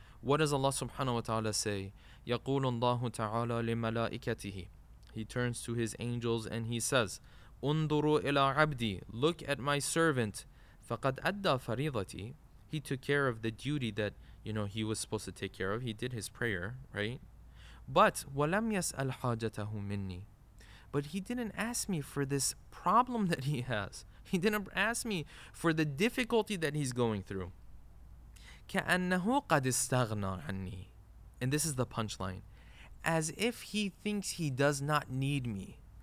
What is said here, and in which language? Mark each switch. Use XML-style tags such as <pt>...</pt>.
<en>What does Allah subhanahu wa ta'ala say?</en> <ar>يَقُولُ اللَّهُ تَعَالَى لِمَلَائِكَتِهِ.</ar> <en>He turns to his angels and he says,</en> <ar>أُنْدُرُوا إِلَىٰ عَبْدِي.</ar> <en>Look at my servant.</en> <ar>فَقَدْ أَدَّى فَرِيضَتِي.</ar> <en>He took care of the duty that, you know, he was supposed to take care of. He did his prayer, right? But</en> <ar>وَلَمْ يَسْأَلْ حَاجَتَهُ مِنِّي.</ar> <en>But he didn't ask me for this problem that he has. He didn't ask me for the difficulty that he's going through.</en> <ar>كَأَنَّهُ قَدْ اسْتَغْنَى عَنِّي.</ar> <en>And this is the punchline. As if he thinks he does not need me.</en>